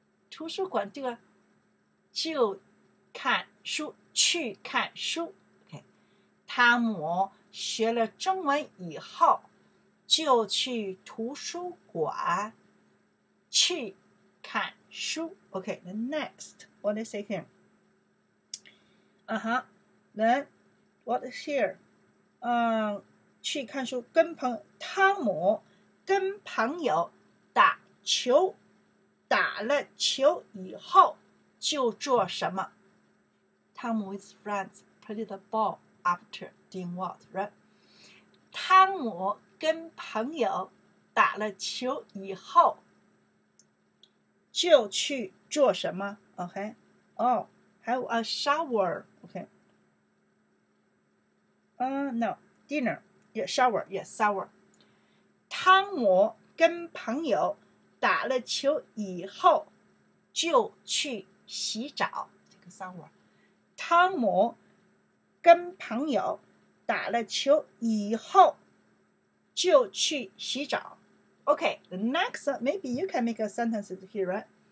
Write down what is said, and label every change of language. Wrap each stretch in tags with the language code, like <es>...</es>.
<zh>图书馆这个就看书，去看书。</zh> <en>Okay.</en> <zh>汤姆学了中文以后就去图书馆去看。书</zh> <en>okay, the next, what they say here? Uh-huh, then, what is here?</en> <zh>去看书跟朋友汤姆跟朋友打球打了球以后就做什么汤姆</zh> <en>with friends played the ball after doing what, right?</en> <zh>汤姆跟朋友打了球以后就去做什么 ？OK， 哦、oh, ，</zh> <en>have a shower。 OK， no， dinner， yeah， shower， yeah， shower。</en> <zh>汤姆跟朋友打了球以后就去洗澡。这个 shower。汤姆跟朋友打了球以后就去洗澡。</zh> <en>OK， the next maybe you can make a sentence here， right？</en>